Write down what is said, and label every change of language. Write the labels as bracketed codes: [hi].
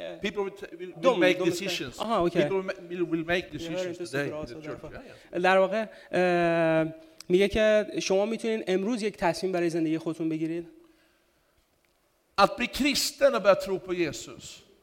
[en] People will make decisions. People will make decisions today in the church. [fa] در واقع میگه که شما میتونید امروز یک تصمیم برای زندگی خودتون بگیرید. [sv] Att bli kristen och börja tro på Jesus.